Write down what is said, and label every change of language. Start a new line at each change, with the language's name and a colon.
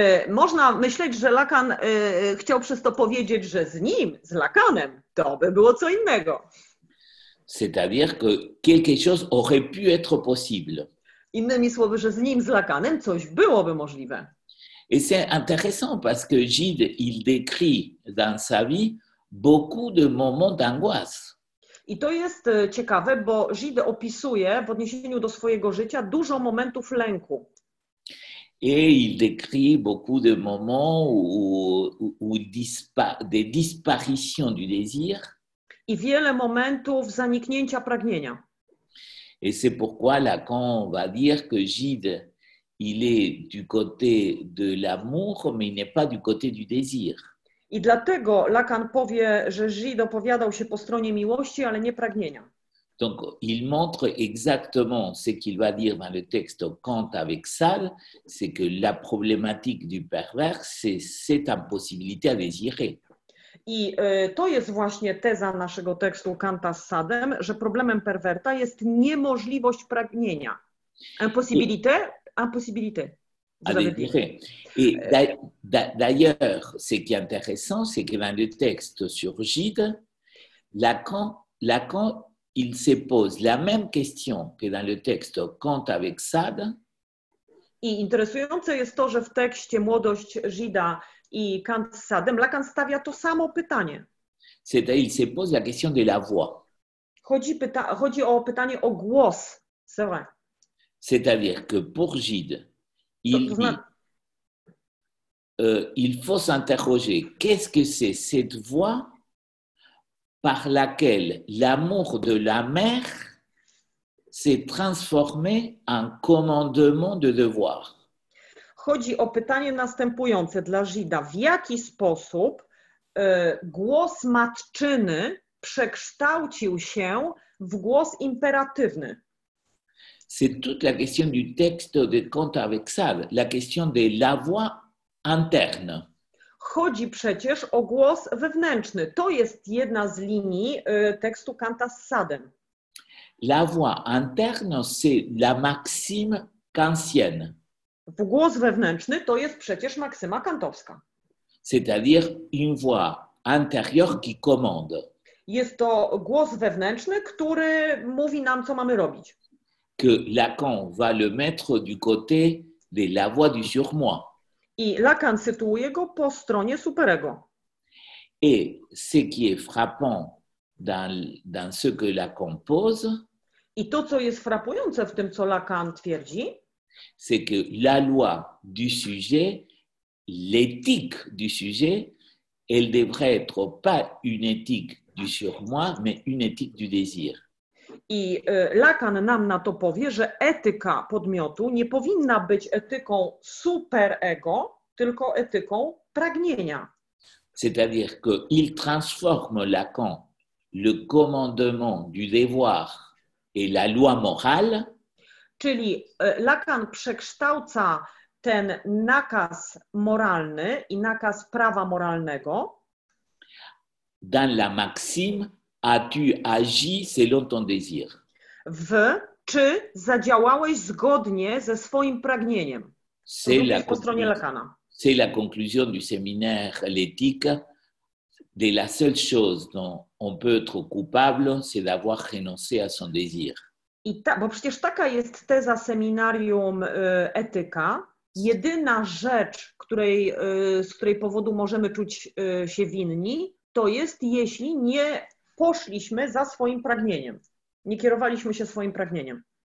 Polish: Można myśleć, że Lacan chciał przez to powiedzieć, że z nim, z Lacanem, to by było co innego.
French: C'est-à-dire que quelque chose aurait pu être possible.
Polish: Innymi słowy, że z nim, z Lacanem, coś byłoby możliwe.
French: Et c'est intéressant parce que Gide, il décrit dans sa vie beaucoup de moments d'angoisse.
Polish: I to jest ciekawe, bo Gide opisuje w odniesieniu do swojego życia dużo momentów lęku.
French: Et il décrit beaucoup de moments où des disparitions du désir.
Polish: I wiele momentów zaniknięcia pragnienia.
French: Et c'est pourquoi Lacan va dire que Gide, il est du côté de l'amour, mais il n'est pas du côté du désir.
Polish: I dlatego Lacan powie, że Gide opowiadał się po stronie miłości, ale nie pragnienia.
French: Donc, il montre exactement ce qu'il va dire dans le texte Kant avec Sade, c'est que la problématique du pervers, c'est cette impossibilité à désirer.
Polish: I to jest właśnie teza naszego tekstu Kanta z Sadem, że problemem perwerta jest niemożliwość pragnienia.
French: Impossibilité. Et d'ailleurs, ce qui est intéressant, c'est que dans le texte sur Gide, Lacan, il se pose la même question que dans le texte Kant avec Sade.
Polish: I interesujące jest to, że w tekście Młodość Gida i Kant z Sadem Lacan stawia to samo pytanie.
French: C'est-à-dire, il se pose la question de la voix.
Polish: Chodzi o pytanie o głos.
French: C'est vrai. C'est-à-dire que pour Gide, il faut s'interroger, qu'est-ce que c'est cette voix par laquelle l'amour de la mère s'est transformé en commandement de devoir.
Polish: Chodzi o pytanie następujące dla Gida. W jaki sposób głos matczyny przekształcił się w głos imperatywny?
French: C'est toute la question du texte de Kant avec Sade, la question de la voix interne.
Polish: Chodzi przecież o głos wewnętrzny. To jest jedna z linii tekstu Kanta z Sadem.
French: La voix interne, c'est la maxime kantienne.
Polish: W głos wewnętrzny to jest przecież maksyma kantowska.
French: C'est-à-dire une voix intérieure qui commande.
Polish: Jest to głos wewnętrzny, który mówi nam, co mamy robić.
French: Que Lacan va le mettre du côté de la voix du surmoi.
Polish: I Lacan sytuuje go po stronie superego.
French: Et ce qui est frappant dans ce que Lacan pose,
Polish: i to, co jest frappujące w tym, co Lacan twierdzi,
French: c'est que la loi du sujet, l'éthique du sujet, elle devrait être pas une éthique du surmoi, mais une éthique du désir.
Polish: I Lacan nam na to powie, że etyka podmiotu nie powinna być etyką superego, tylko etyką pragnienia.
French: C'est-à-dire qu'il transforme Lacan le commandement du devoir et la loi morale.
Polish: Czyli Lacan przekształca ten nakaz moralny i nakaz prawa moralnego.
French: Dans la maxime, as-tu agi selon ton désir?
Polish: W, czy zadziałałeś zgodnie ze swoim pragnieniem? Po stronie Lacana.
French: C'est la conclusion du séminaire l'éthique. De la seule chose dont on peut être coupable, c'est d'avoir renoncé à son désir.
Polish: I ta, bo przecież taka jest teza seminarium etyka. Jedyna rzecz, z której powodu możemy czuć się winni, to jest, jeśli nie poszliśmy za swoim pragnieniem. Nie kierowaliśmy się swoim pragnieniem.